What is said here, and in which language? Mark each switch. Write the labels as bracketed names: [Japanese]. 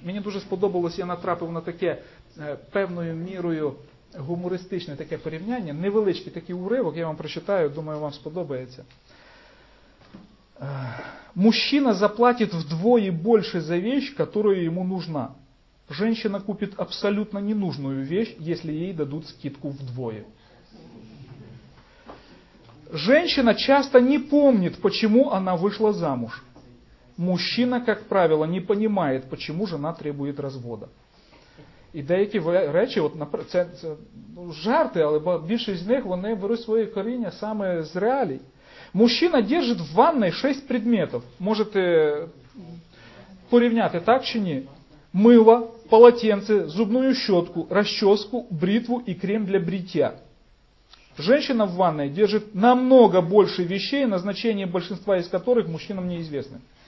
[Ukrainian] Мені дуже сподобалось, я натрапив на таке певною мірою гумористичне таке порівняння. Невеличкий такий уривок, я вам прочитаю, думаю, вам сподобається. [Russian] Мужчина заплатить [Ukrainian] вдвоє більше [Russian] за вещь, которую [Ukrainian] йому [Russian] нужна. Женщина купит абсолютно ненужную вещь, если ей дадут скидку вдвое. Женщина часто не помнит, почему она вышла замуж. Мужчина, как правило, не понимает, почему жена требует развода. [Ukrainian] І деякі речі, от, це ну, жарти, але більшість з них, вони беруть своє коріння саме з реалій. [Russian] Мужчина держит в ванной 6 предметов. [Ukrainian] Можете порівняти, так чи ні? [Russian] Мило, полотенце, зубную щетку, расческу, бритву и крем для бритья. Женщина в ванной держит намного больше вещей, назначение большинства из которых мужчинам неизвестны.